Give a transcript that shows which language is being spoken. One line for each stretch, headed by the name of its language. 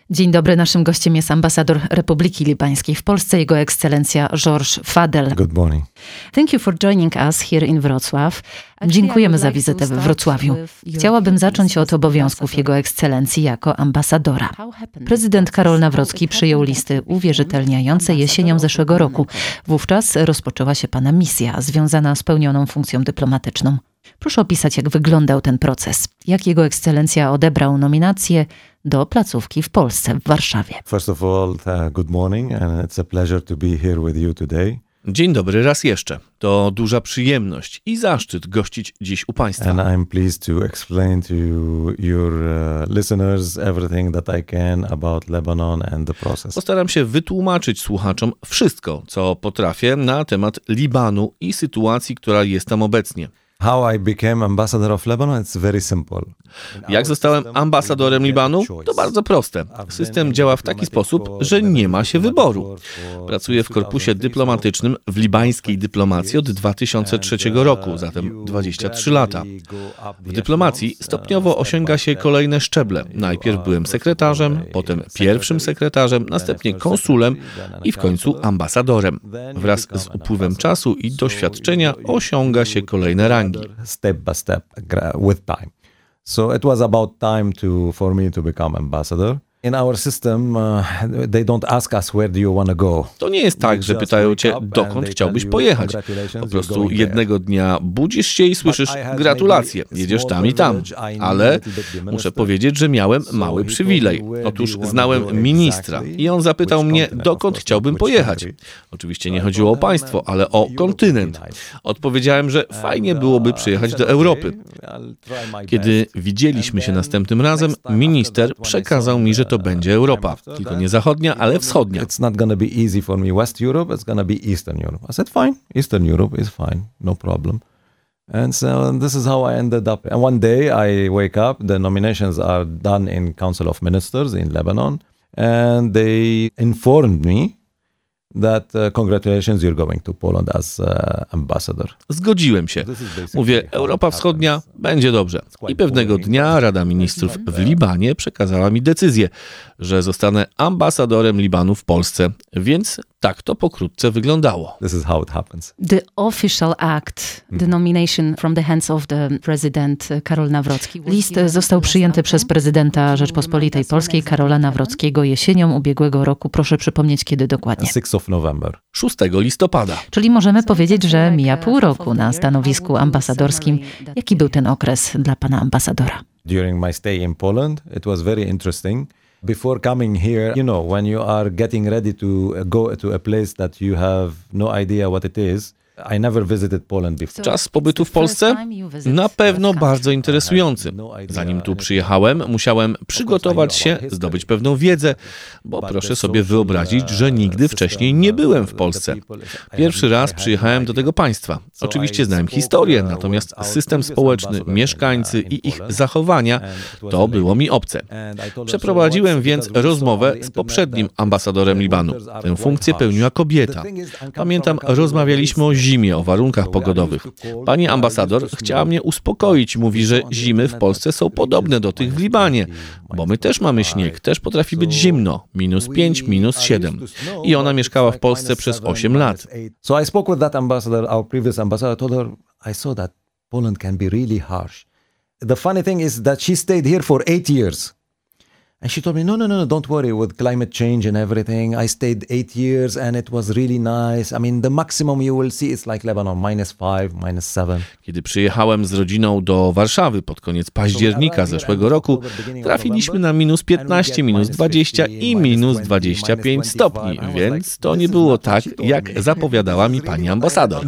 Polish: Dzień dobry, naszym gościem jest ambasador Republiki Libańskiej w Polsce, jego ekscelencja Georges Fadel.
English: Good morning. Thank you for joining us here in Wrocław.
Polish: Dziękujemy za wizytę we Wrocławiu. Chciałabym zacząć od obowiązków jego ekscelencji jako ambasadora. Prezydent Karol Nawrocki przyjął listy uwierzytelniające jesienią zeszłego roku. Wówczas rozpoczęła się pana misja związana z pełnioną funkcją dyplomatyczną. Proszę opisać, jak wyglądał ten proces. Jak jego ekscelencja odebrał nominację do placówki w Polsce, w Warszawie.
English: First of all, good morning and it's a pleasure to be here with you today.
Polish: Dzień dobry raz jeszcze. To duża przyjemność i zaszczyt gościć dziś u państwa.
English: And I'm pleased to explain to your listeners everything that I can about Lebanon and the process.
Polish: Postaram się wytłumaczyć słuchaczom wszystko, co potrafię na temat Libanu i sytuacji, która jest tam obecnie.
English: How I became ambassador of Lebanon, it's very simple.
Polish: Jak zostałem ambasadorem Libanu? To bardzo proste. System działa w taki sposób, że nie ma się wyboru. Pracuję w korpusie dyplomatycznym w libańskiej dyplomacji od 2003 roku, zatem 23 lata. W dyplomacji stopniowo osiąga się kolejne szczeble. Najpierw byłem sekretarzem, potem pierwszym sekretarzem, następnie konsulem i w końcu ambasadorem. Wraz z upływem czasu i doświadczenia osiąga się kolejne rangi.
English: Step by step, with time. So it was about time to for me to become ambassador. In our system, they don't ask us where do you want to go.
Polish: To nie jest tak, że pytają cię, dokąd chciałbyś pojechać. Po prostu jednego dnia budzisz się i słyszysz gratulacje, jedziesz tam i tam. Ale muszę powiedzieć, że miałem mały przywilej. Otóż znałem ministra i on zapytał mnie, dokąd chciałbym pojechać. Oczywiście nie chodziło o państwo, ale o kontynent. Odpowiedziałem, że fajnie byłoby przyjechać do Europy. Kiedy widzieliśmy się następnym razem, minister przekazał mi, że to będzie Europa. Tylko nie zachodnia, ale wschodnia.
English: It's not gonna be easy for me. West Europe, it's gonna be Eastern Europe. I said, fine. Eastern Europe is fine. No problem. And so this is how I ended up. And one day I wake up, the nominations are done in Council of Ministers in Lebanon, and they informed me that congratulations, you're going to Poland as ambassador.
Polish: Zgodziłem się. Mówię, Europa Wschodnia, będzie dobrze. I pewnego dnia Rada Ministrów w Libanie przekazała mi decyzję, że zostanę ambasadorem Libanu w Polsce, więc tak to pokrótce wyglądało.
English: This is how it happens. The official act, the nomination from the hands of the president Karol Nawrocki.
Polish: List został przyjęty przez prezydenta Rzeczpospolitej Polskiej Karola Nawrockiego jesienią ubiegłego roku. Proszę przypomnieć, kiedy dokładnie.
English: 6 of November.
Polish: 6 listopada. Czyli możemy powiedzieć, że mija pół roku na stanowisku ambasadorskim. Jaki był ten okres dla pana ambasadora?
English: During my stay in Poland, it was very interesting. Before coming here, you know, when you are getting ready to go to a place that you have no idea what it is, I never visited Poland before.
Polish: Czas pobytu w Polsce? Na pewno bardzo interesujący. Zanim tu przyjechałem, musiałem przygotować się, zdobyć pewną wiedzę, bo proszę sobie wyobrazić, że nigdy wcześniej nie byłem w Polsce. Pierwszy raz przyjechałem do tego państwa. Oczywiście znałem historię, natomiast system społeczny, mieszkańcy i ich zachowania, to było mi obce. Przeprowadziłem więc rozmowę z poprzednim ambasadorem Libanu. Tę funkcję pełniła kobieta. Pamiętam, rozmawialiśmy o zimie, o warunkach pogodowych. Pani ambasador chciała mnie uspokoić. Mówi, że zimy w Polsce są podobne do tych w Libanie, bo my też mamy śnieg, też potrafi być zimno. Minus 5, minus 7. I ona mieszkała w Polsce przez 8 lat.
English: So I spoke with that ambassador, our previous ambassador, told her, I saw that Poland can be really harsh. The funny thing is that she stayed here for 8 years. And she told me, no, don't worry with climate change and everything. I stayed 8 years and it was really nice. I mean, the maximum you will see is like Lebanon, -5, -7.
Polish: Kiedy przyjechałem z rodziną do Warszawy pod koniec października zeszłego roku, trafiliśmy na -15, -20 i -25 stopni, więc to nie było tak, jak zapowiadała mi pani ambasador.